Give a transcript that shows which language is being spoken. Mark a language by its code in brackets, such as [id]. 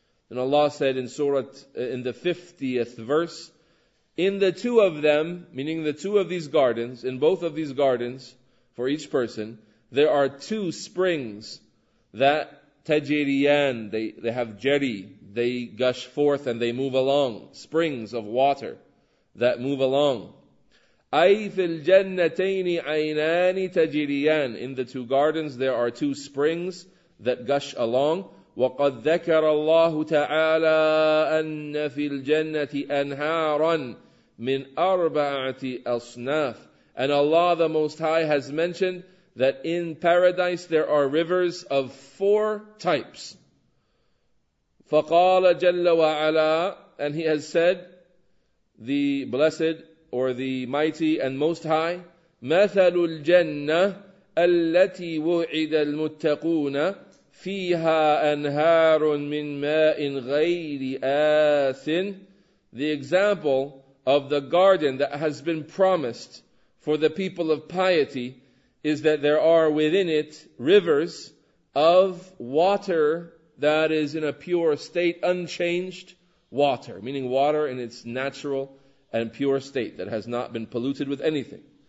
[en] And Allah said in Surah, in the 50th verse, in the two of them, meaning the two of these gardens, in both of these gardens, for each person, there are two springs that تَجِرِيَانِ, they have jerry, they gush forth and they move along, springs of water that move along. [ar] أي في الجنتين عينان تجريان. [en] In the two gardens there are two springs that gush along. [ar] وقد ذكر الله تعالى أن في الجنة أنهارا من أربعة أصناف. [en] And Allah the Most High has mentioned that in paradise there are rivers of four types. [ar] فقال جل وعلا. [en] And He has said, the Blessed or the Mighty and Most High, [ar] مَثَلُ الْجَنَّةِ التي وعد المتقون فيها أنهار من ماء غير آسٍ. [en] The example of the garden that has been promised for the people of piety is that there are within it rivers of water that is in a pure state, unchanged water, meaning water in its natural and pure state that has not been polluted with anything.